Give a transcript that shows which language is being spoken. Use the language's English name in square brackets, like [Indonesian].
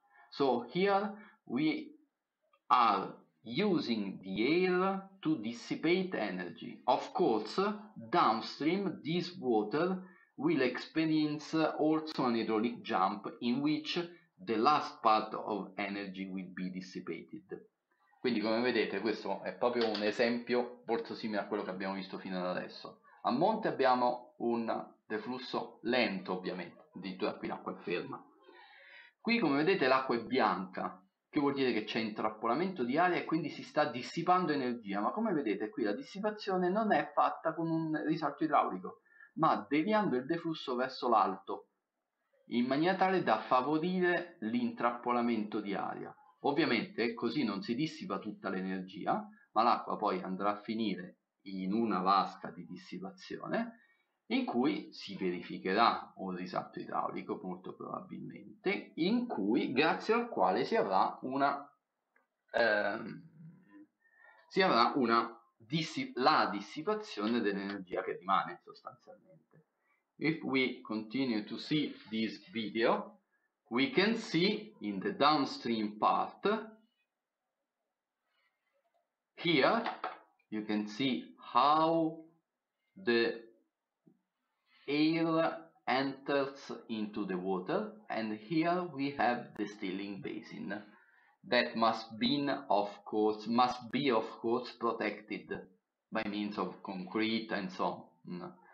[English] So here we are using the air to dissipate energy. Of course, downstream this water will experience also an hydraulic jump in which the last part of energy will be dissipated. [Italian] Quindi, come vedete, questo è proprio un esempio molto simile a quello che abbiamo visto fino ad adesso. A monte abbiamo un deflusso lento, ovviamente, addirittura qui l'acqua è ferma. Qui, come vedete, l'acqua è bianca, che vuol dire che c'è intrappolamento di aria e quindi si sta dissipando energia. Ma come vedete, qui la dissipazione non è fatta con un risalto idraulico, ma deviando il deflusso verso l'alto, in maniera tale da favorire l'intrappolamento di aria. Ovviamente così non si dissipa tutta l'energia, ma l'acqua poi andrà a finire in una vasca di dissipazione in cui si verificherà un risalto idraulico molto probabilmente, in cui grazie al quale la dissipazione dell'energia che rimane sostanzialmente. [English] If we continue to see this video, we can see in the downstream part, here you can see how the air enters into the water, and here we have the steaming basin that must be of course protected by means of concrete and so on.